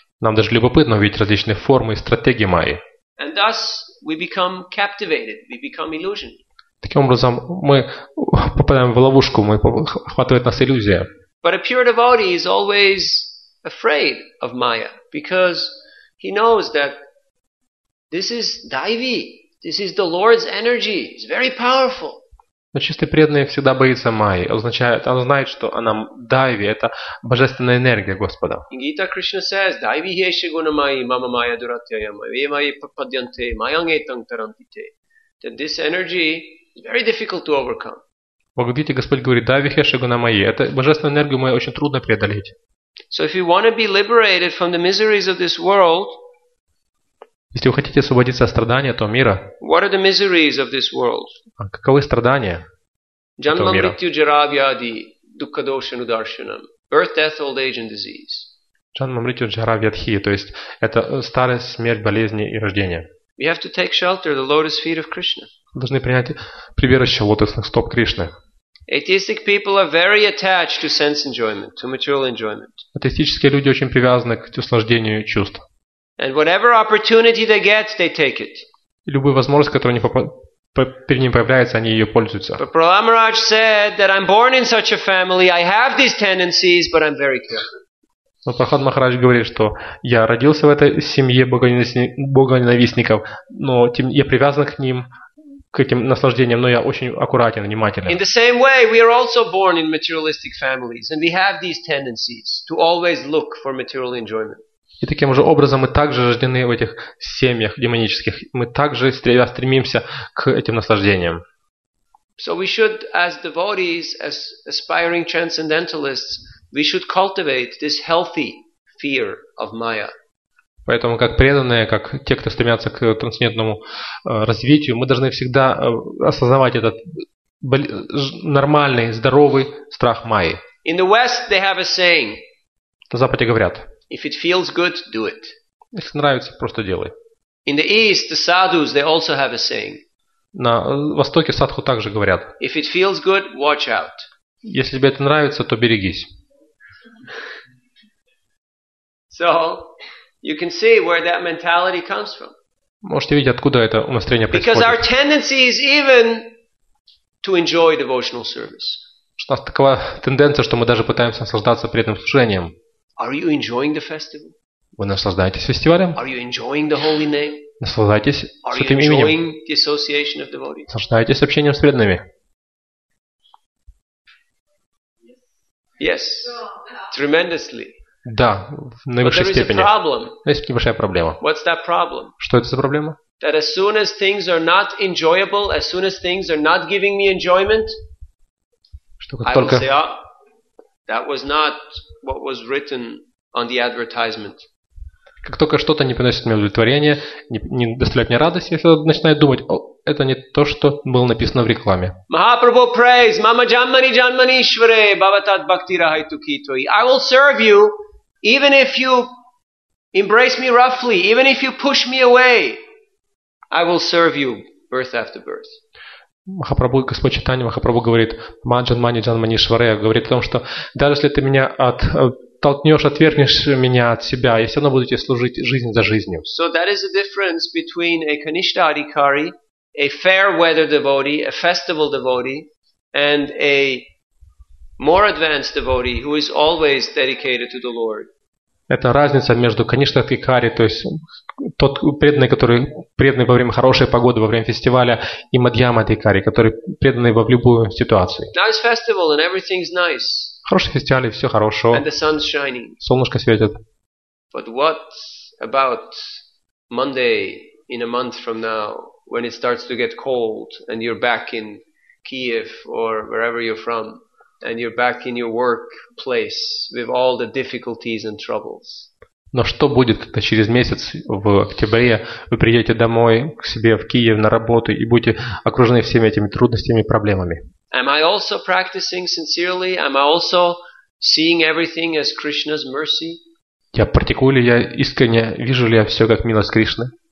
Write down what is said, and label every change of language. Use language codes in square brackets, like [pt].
[ru] Нам даже любопытно увидеть различные формы и стратегии Майи. [en] And thus, we become captivated, we become illusioned. [ru] Таким образом, мы попадаем в ловушку, мы охватывает нас иллюзия. [en] But a pure devotee is always afraid of Maya because he knows that this is Daivi, this is the Lord's energy, it's very powerful. [ru] Но чистый преданный всегда боится Майи. Означает, он знает, что она Дайви, это божественная энергия Господа. [sa] Гита Кришна says, Дайви хеши гуна Майи, мама Майя дуратья Майя, ве Майи паддьянте, майанге тангтарантите. [en] That this energy It's very difficult to overcome. [ru] Благодарите, Господь говорит, да, вихешегуна мои. Это божественную энергию мою очень трудно преодолеть. [en] So if you want to be liberated from the miseries of this world, [ru] если вы хотите освободиться от страданий этого мира, [en] what are the miseries of this world? [ru] Каковы страдания этого мира? [sa] Джанма мритью джаравьяди дукадоша нударшинам. [en] Birth, death, old age and disease. [sa] Джанма мритью джаравьядхи, [ru] то есть это старость, смерть, болезни и рождение. [en] We have to take shelter at the lotus feet of Krishna. [ru] Должны принять прибежище лотосных стоп Кришны. [en] Atheistic people are very attached to sense enjoyment, to material enjoyment. [ru] Атеистические люди очень привязаны к наслаждению чувств. [en] And whatever opportunity they get, they take it. [ru] И любую возможность, которая перед ним появляется, они ее пользуются. [en] But Prahlad Maharaj said that I'm born in such a family, I have these tendencies, but I'm very careful. [ru] Но Прахлад Махарадж говорит, что я родился в этой семье богоненавистников, но я привязан к ним, к этим наслаждениям, но я очень аккуратен, внимателен. [en] In the same way, we are also born in materialistic families, and we have these tendencies to always look for material enjoyment. [ru] И таким же образом мы также рождены в этих семьях демонических, мы также стремимся к этим наслаждениям. [en] So we should, as devotees, as aspiring transcendentalists, we should cultivate this healthy fear of Maya. [ru] Поэтому, как преданные, как те, кто стремятся к трансцендентному развитию, мы должны всегда осознавать этот нормальный, здоровый страх Майи. [en] In the West they have a saying. [ru] На Западе говорят. [en] If it feels good, do it. [ru] Если нравится, просто делай. [en] In the East the sadhus they also have a saying. [ru] На Востоке садху также говорят. [en] If it feels good, watch out. [ru] Если тебе это нравится, то берегись. [en] So. You can see where that mentality comes from. [ru] Можете видеть, откуда это настроение происходит. [en] Because our tendency is even to enjoy devotional service. [ru] У нас такова тенденция, что мы даже пытаемся наслаждаться преданным служением. [en] Are you enjoying the festival? [ru] Вы наслаждаетесь фестивалем? [en] Are you enjoying the holy name? [ru] Наслаждаетесь святым [en] именем? Are you enjoying the association of devotees? [ru] Наслаждаетесь общением с преданными? [en] Yes, tremendously. [ru] Да, в наивысшей степени. [en] A problem. [ru] Но есть небольшая проблема. [en] What's that problem? [ru] Что это за проблема? [en] That as soon as things are not enjoyable, as soon as things are not giving me enjoyment, [ru] что как только, [en] say, oh, That was not what was written on the advertisement. [ru] Как только что-то не приносит мне удовлетворения, не доставляет мне радость, я сразу начинаю думать, о, это не то, что было написано в рекламе. [sa] Mahaprabhu praise, mama janmani janmanishvare, bhavatat bhaktira haitukitvai. [en] I will serve you, even if you embrace me roughly, even if you push me away, I will serve you birth after birth. [ru] Махапрабху, Господь Читания, Махапрабху говорит, [sa] Маджан Мани Джан Мани Шваре, [ru] говорит о том, что даже если ты меня оттолкнешь, отвергнешь меня от себя, я все равно буду тебе служить жизнь за жизнью. [en] So that is the difference between a Kanishtha Adhikari, a fair weather devotee, a festival devotee, and a more advanced devotee who is always dedicated to the Lord. [ru] Это разница между Каништа Адхикари, то есть тот преданный, который преданный во время хорошей погоды, во время фестиваля, и Мадьяма Адхикари, который преданный во любую ситуацию. [en] Nice festival and everything's nice. [ru] Хороший фестиваль, и все хорошо. [en] And the sun's shining. [ru] Солнышко светит. [en] But what about Monday in a month from now, when it starts to get cold, and you're back in Kiev or wherever you're from? And you're back in your workplace with all the difficulties and troubles. [ru] Но что будет, когда через месяц в октябре вы приедете домой к себе в Киев на работу и будете окружены всеми этими трудностями и проблемами? [en] Am I also practicing sincerely? Am I also seeing everything as Krishna's mercy? [ru] Я практикую ли я искренне, вижу ли я все как милость Кришны?